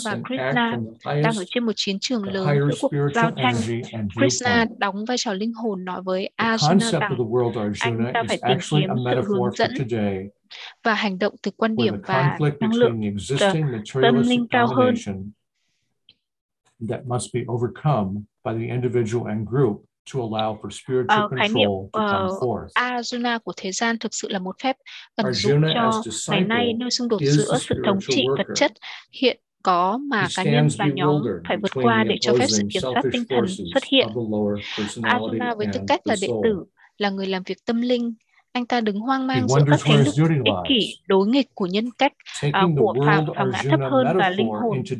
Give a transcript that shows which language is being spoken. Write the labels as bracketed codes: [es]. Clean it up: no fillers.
[vi] và Krishna đang ở trên một chiến trường lớn giữa cuộc giao tranh. Krishna đóng vai trò linh hồn nói với Arjuna rằng anh ta phải tìm kiếm sự hướng dẫn và hành động từ quan điểm và năng lượng tâm linh cao hơn [en] that must be overcome by the individual and group to allow for spiritual control to come forth. [vi] Arjuna của thế gian thực sự là một phép ẩn dụ cho ngày nay nơi xung đột giữa sự thống trị vật chất hiện có mà cá nhân và nhóm phải vượt qua để cho phép sự kiểm soát tinh thần xuất hiện. Arjuna với tư cách là đệ tử, là người làm việc tâm linh, anh ta đứng hoang mang giữa các thế lực ích kỷ đối nghịch của nhân cách của phàm và ngã thấp hơn và linh hồn.